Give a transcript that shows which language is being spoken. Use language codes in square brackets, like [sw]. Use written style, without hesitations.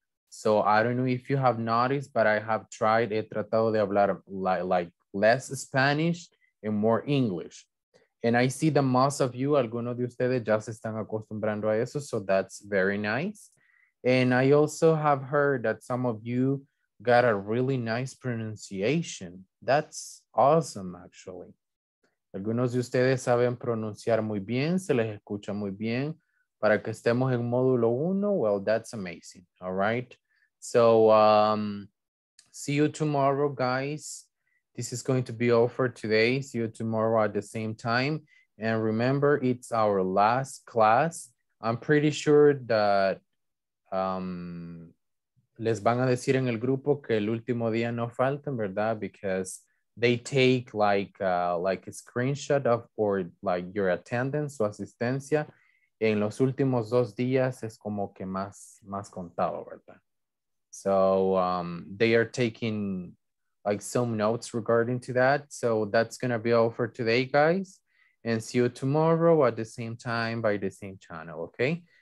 [en] So I don't know if you have noticed, but I have tried, [es] he tratado de hablar [en] like less Spanish and more English. And I see the most of you, [es] algunos de ustedes ya se están acostumbrando a eso. [en] So that's very nice. And I also have heard that some of you got a really nice pronunciation. That's awesome, actually. [es] Algunos de ustedes saben pronunciar muy bien, se les escucha muy bien. Para que estemos en módulo uno, [en] well, that's amazing, all right? So, see you tomorrow, guys. this is going to be all for today. See you tomorrow at the same time. And remember, it's our last class. I'm pretty sure that [es] les van a decir en el grupo que el último día no falten, ¿verdad? [en] Because they take like a screenshot of or like your attendance, [es] su asistencia. En los últimos dos días es como que más contado, ¿verdad? [en] So they are taking like some notes regarding to that. So that's going to be all for today, guys. And see you tomorrow at the same time by the same channel, okay?